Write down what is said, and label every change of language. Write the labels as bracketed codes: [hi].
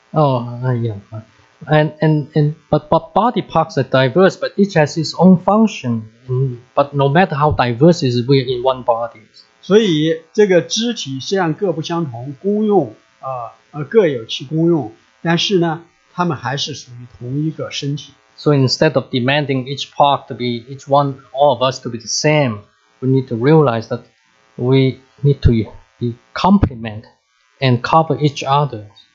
[en] But body parts are diverse, but each has its own function. But no matter how diverse it is, we are in one body. [zh] 所以这个肢体虽然各不相同，功用各有其功用，但是呢，他们还是属于同一个身体。So [en] instead of demanding each part to be each one, all of us to be the same, we need to realize that we need to be complement and cover each other.